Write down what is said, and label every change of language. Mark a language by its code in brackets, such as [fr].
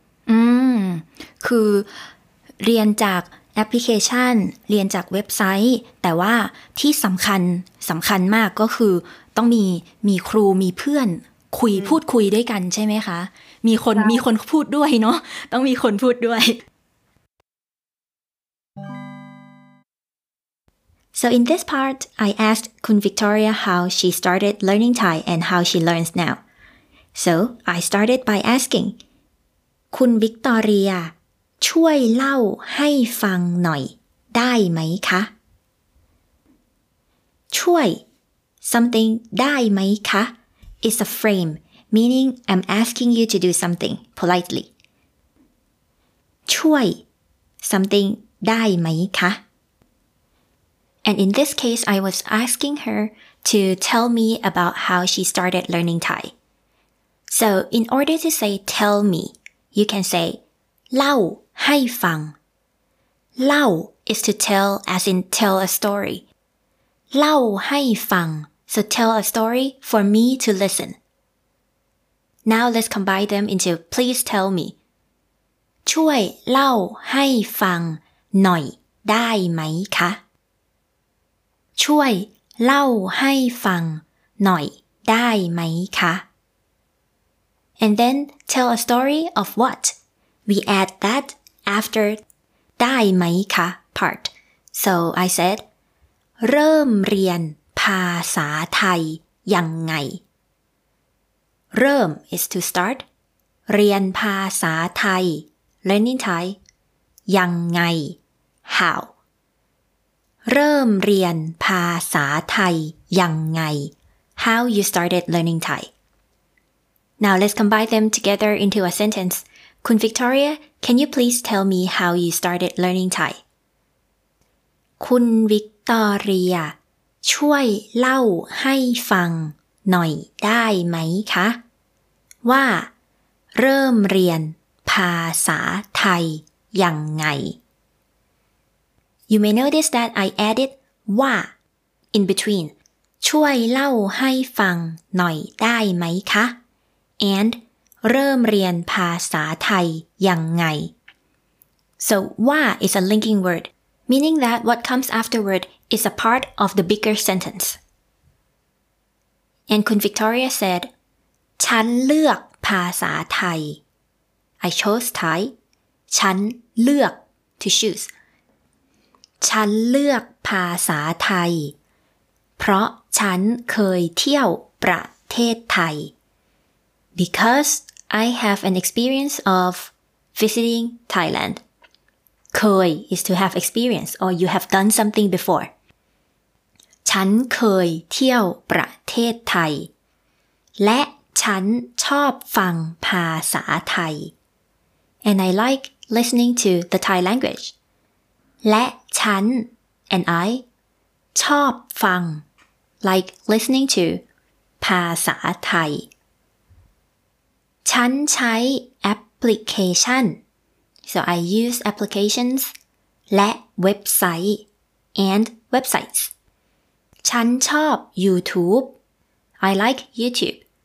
[th] อืมคือเรียนจากแอปพลิเคชันเรียนจากเว็บไซต์แต่ว่าที่สำคัญมากก็คือต้องมีครูมีเพื่อนคุยพูดคุยด้วยกันใช่ไหมคะมีคนพูดด้วยเนาะต้องมีคนพูดด้วย [en] So in this part, I asked Kun Victoria how she started learning Thai and how she learns now. So I started by asking, Kun Victoria, [th] ช่วยเล่าให้ฟังหน่อยได้ไหมคะ? ช่วย something ได้ไหมคะ? [en] is a frame, meaning I'm asking you to do something politely. [th] ช่วย something ได้ไหมคะ? [en] And in this case, I was asking her to tell me about how she started learning Thai. So in order to say tell me, you can say [th] เล่าให้ฟัง เล่า [en] is to tell as in tell a story. [th] เล่าให้ฟัง [en] so tell a story for me to listen. Now let's combine them into please tell me. [th] ช่วยเล่าให้ฟังหน่อยได้ไหมคะช่วยเล่าให้ฟังหน่อยได้ไหมคะ [en] And then tell a story of what? We add that after ได้ไหมคะ part. So I said, [th] เริ่มเรียนภาษาไทยยังไงเริ่ม [en] is to start. [th] เรียนภาษาไทย [en] learning Thai [th] ยังไง [en] how? [th] เริ่มเรียนภาษาไทยยังไง [en] How you started learning Thai Now let's combine them together into a sentence Kun Victoria, can you please tell me how you started learning Thai? [th] คุณวิกตอเรียช่วยเล่าให้ฟังหน่อยได้ไหมคะว่าเริ่มเรียนภาษาไทยยังไง [en] You may notice that I added wa in between [th] ช่วยเล่าให้ฟังหน่อยได้ไหมคะ [en] and [th] เริ่มเรียนภาษาไทยยังไง [en] So wa is a linking word meaning that what comes afterward is a part of the bigger sentence And Kun Victoria said [th] ฉันเลือกภาษาไทย [en] I chose Thai [th] ฉันเลือก [en] to choose [th] ฉันเลือกภาษาไทยเพราะฉันเคยเที่ยวประเทศไทย [en] Because I have an experience of visiting Thailand. เคย is to have experience or you have done something before. [th] ฉันเคยเที่ยวประเทศไทยและฉันชอบฟังภาษาไทย [en] And I like listening to the Thai language. [th] และฉัน [en] and I [th] ชอบฟัง [en] like listening to [th] ภาษาไทยฉันใช้แอปพลิเคชัน [en] so I use applications [th] และเว็บไซต์ [en] and websites [th] ฉันชอบ YouTube [en] I like YouTube